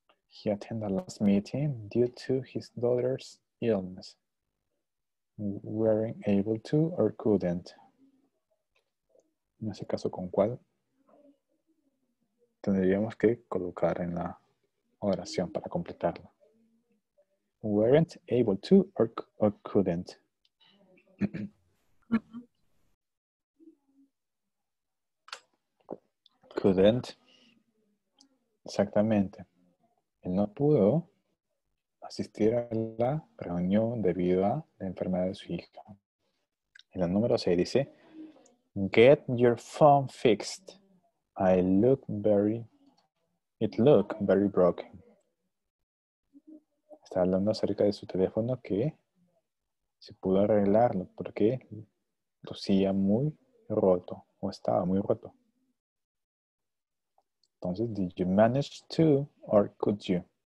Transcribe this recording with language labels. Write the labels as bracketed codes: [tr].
[en] He attend the last meeting due to his daughter's illness. Weren't able to or couldn't. [es] En ese caso, ¿con cuál tendríamos que colocar en la oración para completarla? [en] Weren't able to or couldn't. [es] Couldn't. Exactamente. Él no pudo asistir a la reunión debido a la enfermedad de su hija. En la número 6 dice, [en] get your phone fixed. It looked very broken. [es] Está hablando acerca de su teléfono que se pudo arreglarlo porque lucía muy roto o estaba muy roto. Entonces, [en] did you manage to or could you?